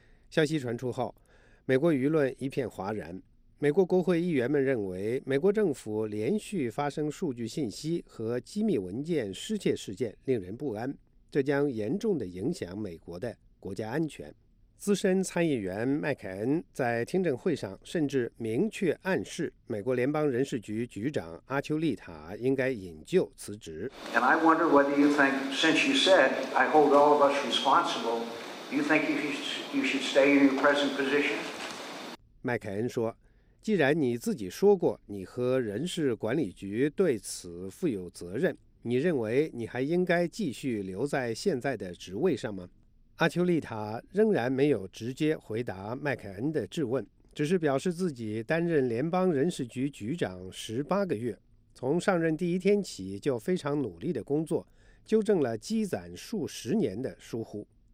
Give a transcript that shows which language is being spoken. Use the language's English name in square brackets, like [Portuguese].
[Chinese] 消息传出后，美国舆论一片哗然。美国国会议员们认为，美国政府连续发生数据信息和机密文件失窃事件令人不安，这将严重地影响美国的国家安全。资深参议员麦凯恩在听证会上甚至明确暗示，美国联邦人事局局长阿丘利塔应该引咎辞职。 [English] And I wonder whether you think, since you said I hold all of us responsible, you think you should stay in your present position? [Chinese] 麦凯恩说，既然你自己说过你和人事管理局对此负有责任，你认为你还应该继续留在现在的职位上吗？阿丘利塔仍然没有直接回答麦凯恩的质问，只是表示自己担任联邦人事局局长18个月，从上任第一天起就非常努力的工作，纠正了积攒数十年的疏忽。